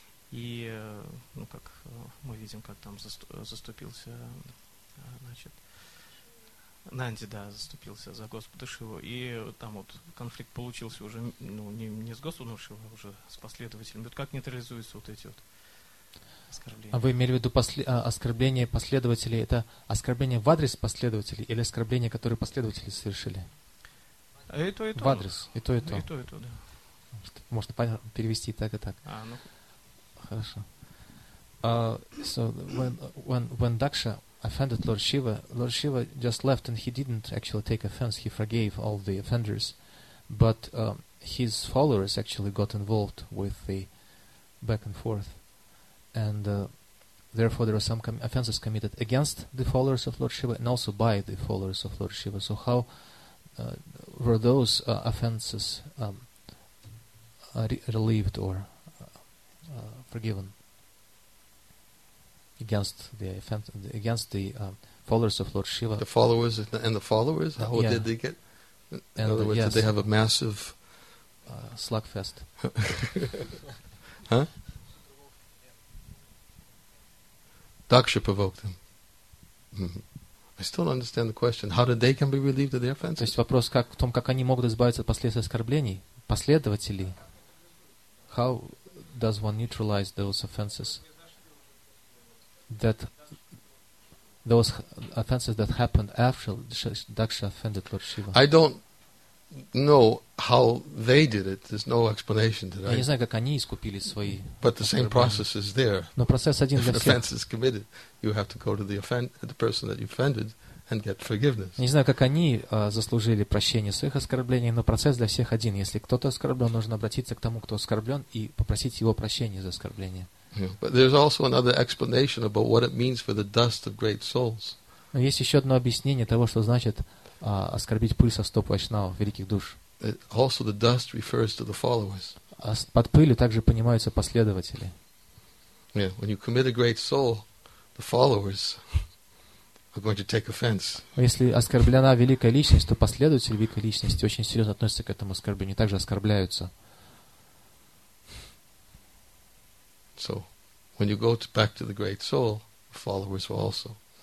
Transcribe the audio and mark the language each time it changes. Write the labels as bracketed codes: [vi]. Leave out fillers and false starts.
[ru] И, ну, как мы видим, как там заступился, значит, Нанди, да, заступился за Господа Шиву, и там вот конфликт получился уже, ну, не с Господом Шивы, а уже с последователями. Вот как нейтрализуются вот эти вот оскорбления? А вы имели в виду оскорбление последователей? Это оскорбление в адрес последователей или оскорбление, которое последователи совершили? И то, и то. В адрес. И то, и то. И то, и то, да. Можно перевести так и так. А, ну. Хорошо. [en] So, when Daksha offended Lord Shiva, Lord Shiva just left and he didn't actually take offense. He forgave all the offenders. But his followers actually got involved with the back and forth. And therefore there were some offenses committed against the followers of Lord Shiva and also by the followers of Lord Shiva. So how were those offenses relieved or forgiven against the followers of Lord Shiva? The followers and the followers? How did they get? In other words, did they have a massive slugfest? Huh? Daksha provoked them. I still don't understand the question. How did they can be relieved of their offenses? [ru] То есть вопрос как в том, как они могут избавиться от последствий оскорблений, последователи. [en] How does one neutralize those offenses? That those offenses that happened after Daksha offended Lord Shiva. I don't know how they did it. There's no explanation to that. [ru] Я не знаю, как они искупили свои. [en] But the same process is there. [ru] Но процесс один. [en] If an offense is committed, you have to go to the person that you offended and get forgiveness. [ru] Не знаю, как они заслужили прощение своих оскорблений, но процесс для всех один. Если кто-то оскорблен, нужно обратиться к тому, кто оскорблен, и попросить его прощения за оскорбление. [en] But there's also another explanation about what it means for the dust of great souls. [ru] Но есть еще одно объяснение того, что значит оскорбить пыль со стоп вайшнавов, великих душ. [en] It also the dust refers to the followers. [ru] Под пылью также понимаются последователи. [en] Yeah, when you commit a great soul, the followers are going to take offense. [ru] Если оскорблена великая личность, то последователи великой личности очень серьезно относятся к этому оскорблению, также оскорбляются. [en] So, when you go to back to the great soul, the followers will also.